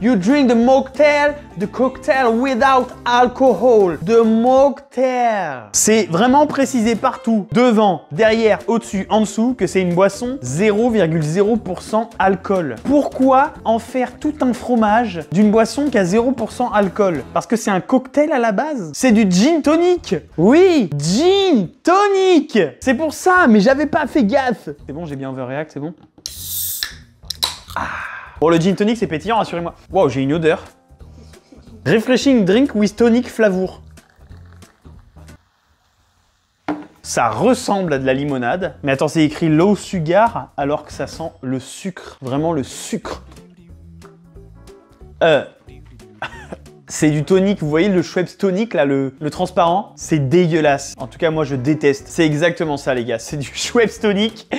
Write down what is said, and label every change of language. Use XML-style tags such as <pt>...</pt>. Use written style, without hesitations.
<en>You drink the mocktail, the cocktail without alcohol, the mocktail!</en> <fr>C'est vraiment précisé partout, devant, derrière, au-dessus, en dessous, que c'est une boisson 0,0% alcool. Pourquoi en faire tout un fromage d'une boisson qui a 0% alcool? Parce que c'est un cocktail à la base? C'est du gin tonic! Oui, gin tonic! C'est pour ça, mais j'avais pas fait gaffe! C'est bon, j'ai bien overreact, c'est bon? Bon, le gin tonic, c'est pétillant, rassurez-moi. Waouh, j'ai une odeur.</fr> <en>Refreshing drink with tonic flavour.</en> <fr>Ça ressemble à de la limonade. Mais attends, c'est écrit low sugar, alors que ça sent le sucre. Vraiment le sucre. C'est du tonic, vous voyez le Schweppes tonic là, le transparent? C'est dégueulasse. En tout cas, moi je déteste. C'est exactement ça les gars, c'est du Schweppes tonic.</fr>